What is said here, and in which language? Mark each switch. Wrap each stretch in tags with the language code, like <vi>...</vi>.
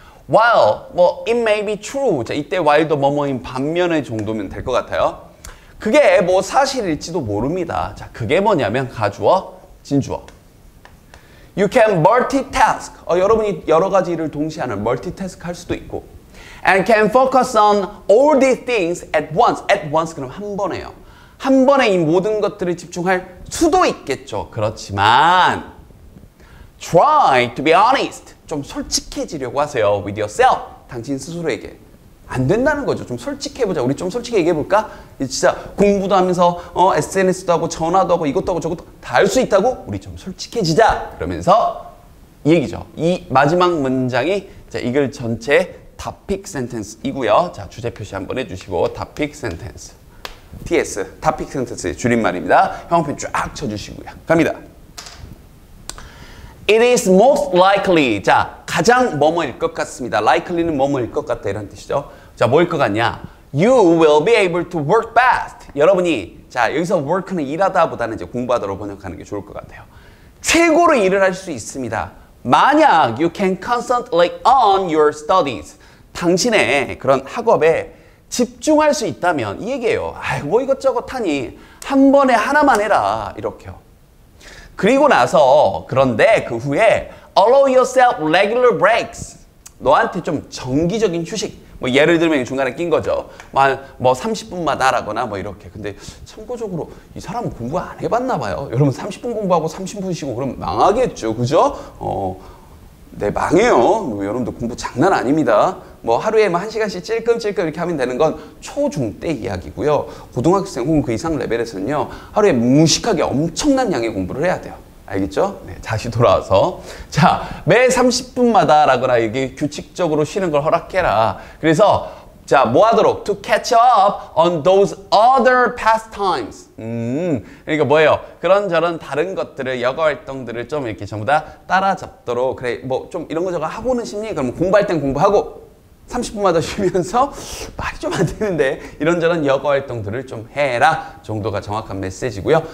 <en>While, 뭐 it may be true.</en> <ko>자, 이때 while도 뭐뭐인 반면의 정도면 될 것 같아요. 그게 뭐 사실일지도 모릅니다. 자, 그게 뭐냐면 가주어, 진주어.</ko> <en>You can multitask.</en> <ko>여러분이 여러 가지 일을 동시에 하는 multitask 할 수도 있고.</ko> <en>And can focus on all these things at once. At once,</en> <ko>그럼 한 번에요. 한 번에 이 모든 것들을 집중할 수도 있겠죠. 그렇지만</ko> <en>try to be honest.</en> <ko>좀 솔직해지려고 하세요.</ko> <en>With yourself.</en> <ko>당신 스스로에게. 안 된다는 거죠. 좀 솔직해보자. 우리 좀 솔직히 얘기해볼까? 진짜 공부도 하면서 SNS도 하고 전화도 하고 이것도 하고 저것도 다 할 수 있다고? 우리 좀 솔직해지자. 그러면서 이 얘기죠. 이 마지막 문장이 자, 이글 전체 topic sentence이고요. 자, 주제 표시 한번 해주시고 topic sentence. TS, topic sentence의 줄임말입니다. 형용표 쫙 쳐주시고요. 갑니다.</ko> <en>It is most likely.</en> <ko>자, 가장 뭐뭐일 것 같습니다. Likely는 뭐뭐일 것 같다, 이런 뜻이죠. 자, 뭐일 것 같냐?</ko> <en>You will be able to work best.</en> <ko>여러분이, 자, 여기서 work는 일하다 보다는 이제 공부하다로 번역하는 게 좋을 것 같아요. 최고로 일을 할 수 있습니다. 만약</ko> <en>you can concentrate on your studies.</en> <ko>당신의 그런 학업에 집중할 수 있다면, 이 얘기예요. 아이고, 뭐 이것저것 하니 한 번에 하나만 해라, 이렇게요. 그리고 나서, 그런데 그 후에</ko> <en>allow yourself regular breaks.</en> <ko>너한테 좀 정기적인 휴식. 뭐 예를 들면 중간에 낀 거죠. 뭐 30분마다 하거나 뭐 이렇게. 근데 참고적으로 이 사람 공부 안 해봤나 봐요. 여러분 30분 공부하고 30분 쉬고 그럼 망하겠죠. 그죠? 네, 망해요. 뭐 여러분도 공부 장난 아닙니다. 뭐 하루에 뭐 1시간씩 찔끔찔끔 이렇게 하면 되는 건 초중 때 이야기고요. 고등학생 혹은 그 이상 레벨에서는요. 하루에 무식하게 엄청난 양의 공부를 해야 돼요. 알겠죠? 네, 다시 돌아와서. 자, 매 30분마다 라거나 이게 규칙적으로 쉬는 걸 허락해라. 그래서 자, 뭐 하도록?</ko> <en>To catch up on those other pastimes.</en> <ko>그러니까 뭐예요? 그런저런 다른 것들을, 여가 활동들을 좀 이렇게 전부 다 따라잡도록. 그래, 뭐 좀 이런 거 저거 하고는 싶니? 그럼 공부할 땐 공부하고 30분마다 쉬면서 말이 좀 안 되는데 이런저런 여가 활동들을 좀 해라 정도가 정확한 메시지고요.</ko>